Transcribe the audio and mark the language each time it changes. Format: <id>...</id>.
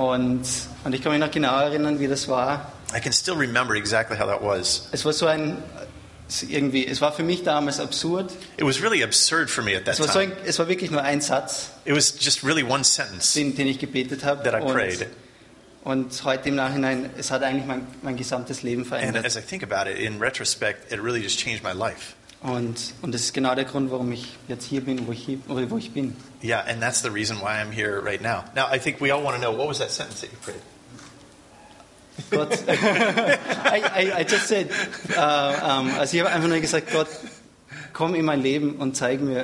<de>Und ich kann mich noch genau erinnern, wie das war.</de> <en>I can still remember exactly how that was.</en> <de>Es war so ein irgendwie, es war für mich damals absurd.</de> <en>It was really absurd for me at that time. So</en> <de>es war wirklich nur ein Satz.</de> <en>It was just really one sentence.</en> <de>Den ich gebetet habe.</de> <en>That I prayed.</en> <de>Und heute im Nachhinein, es hat eigentlich mein gesamtes Leben verändert.</de> <en>And as I think about it, in retrospect, it really just changed my life.</en> <de>Und das ist genau der Grund, warum ich jetzt hier bin, wo ich bin.</de> <en>Yeah, and that's the reason why I'm here right now. Now, I think we all want to know, what was that sentence that you prayed?</en> <de>Gott,</de> <en>I just said,</en> <de>also ich habe einfach nur gesagt, Gott, komm in mein Leben und zeig mir.</de>